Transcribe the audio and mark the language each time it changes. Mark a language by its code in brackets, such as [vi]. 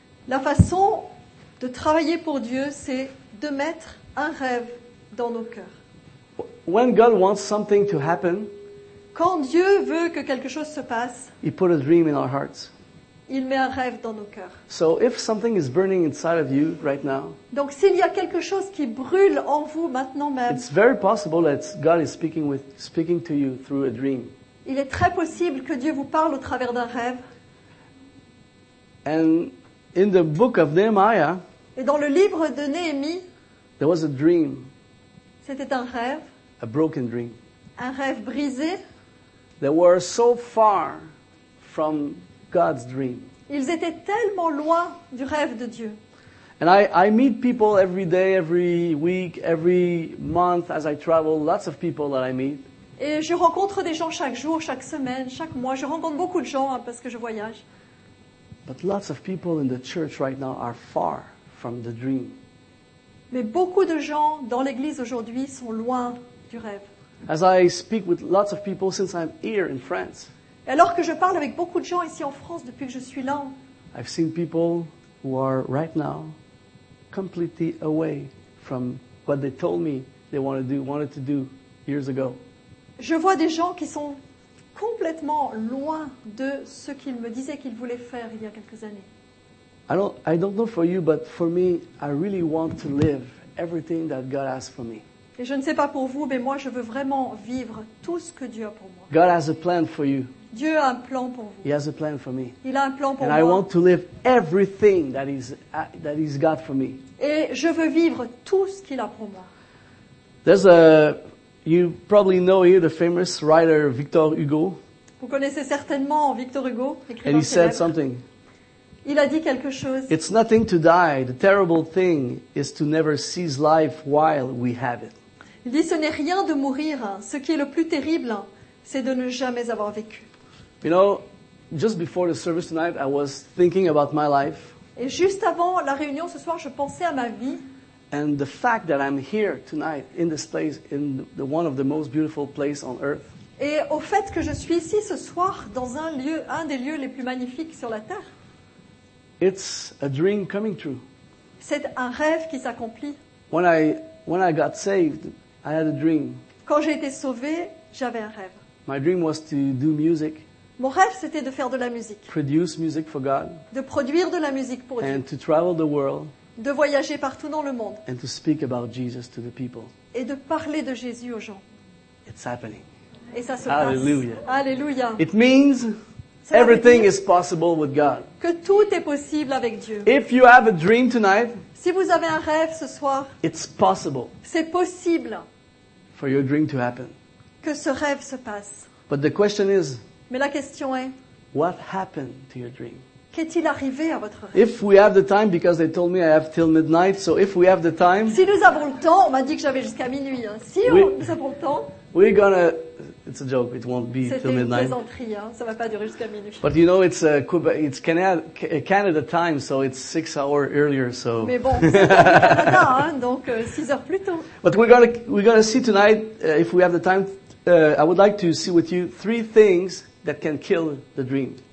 [fr] La façon de travailler pour Dieu, c'est de mettre un rêve dans nos cœurs. [en] When God wants something to happen, [fr] quand Dieu veut que quelque chose se passe, [en] He put a dream in our hearts. [fr] Il met un rêve dans nos cœurs. [en] So if something is burning inside of you right now, [fr] donc s'il y a quelque chose qui brûle en vous maintenant même, [en] it's very possible that God is speaking to you through a dream. [fr] Il est très possible que Dieu vous parle au travers d'un rêve. [en] And in the book of Nehemiah, [fr] et dans le livre de Néhémie, [en] there was a dream. [fr] C'était un rêve. [en] A broken dream. [fr] Un rêve brisé. [en] They were so far from God's dream. [fr] Ils étaient tellement loin du rêve de Dieu. [en] And I meet people every day, every week, every month as I travel. Lots of people that I meet. [fr] Et je rencontre des gens chaque jour, chaque semaine, chaque mois. Je rencontre beaucoup de gens parce que je voyage. [en] But lots of people in the church right now are far from the dream. [fr] Mais beaucoup de gens dans l'église aujourd'hui sont loin du rêve. [en] As I speak with lots of people since I'm here in France. [fr] Et alors que je parle avec beaucoup de gens ici en France depuis que je suis là. [en] I've seen people who are right now completely away from what they told me they wanted to do years ago. [fr] Je vois des gens qui sont complètement loin de ce qu'ils me disaient qu'ils voulaient faire il y a quelques années. [en] I don't know for you, but for me, I really want to live everything that God has for me. [fr] Et je ne sais pas pour vous, mais moi, je veux vraiment vivre tout ce que Dieu a pour moi. [en] God has a plan for you. [fr] Dieu a un plan pour vous. [en] He has a plan for me. [fr] Il a un plan pour [en] And [fr] moi. [en] And I want to live everything that he's got for me. [fr] Et je veux vivre tout ce qu'il a pour moi. [en] You probably know here the famous writer Victor Hugo. [fr] Vous connaissez certainement Victor Hugo, écrivain. [en] And he said something. [fr] Il a dit quelque chose. [en] It's nothing to die. The terrible thing is to never seize life while we have it. [fr] Il dit ce n'est rien de mourir. Ce qui est le plus terrible, c'est de ne jamais avoir vécu. [en] You know, just before the service tonight, I was thinking about my life. [fr] Et juste avant la réunion ce soir, je pensais à ma vie. [en] And the fact that I'm here tonight in this place, in the one of the most beautiful places on earth. [fr] Et au fait que je suis ici ce soir dans un des lieux les plus magnifiques sur la terre. [en] It's a dream coming true. [fr] C'est un rêve qui s'accomplit. [en] When I got saved, I had a dream. [fr] Quand j'ai été sauvé, j'avais un rêve. [en] My dream was to do music. [fr] Mon rêve c'était de faire de la musique. [en] Produce music for God. [fr] De produire de la musique pour [en] and [fr] Dieu. [en] And to travel the world. [fr] De voyager partout dans le monde. [en] And to speak about Jesus to the people. [fr] Et de parler de Jésus aux gens. [en] It's happening. [fr] Et ça se Alleluia. Passe. Alléluia. [en] It means [fr] ça [en] everything is possible with God. [fr] Que tout est possible avec Dieu. [en] If you have a dream tonight, [fr] si vous avez un rêve ce soir, [en] it's possible. [fr] C'est possible. [en] For your dream to happen. [fr] Que ce rêve se passe. [en] But the question is, [fr] mais la question est, [en] what happened to your dream? [fr] Qu'est-il arrivé à votre rêve? [en] If we have the time, because they told me I have till midnight, so if we have the time, [fr] si nous avons le temps, on m'a dit que j'avais jusqu'à minuit. Hein. Si we, nous avons le temps, [en] we're gonna. It's a joke. It won't be till midnight. [fr] C'était une plaisanterie. Hein. Ça ne va pas durer jusqu'à minuit. [en] But you know, it's Canada time, so it's 6 hours earlier. So. [fr] Mais bon, c'est Canada, hein, donc 6 heures plus tôt. [en] But we're gonna see tonight if we have the time. I would like to see with you 3 things that can kill the dream.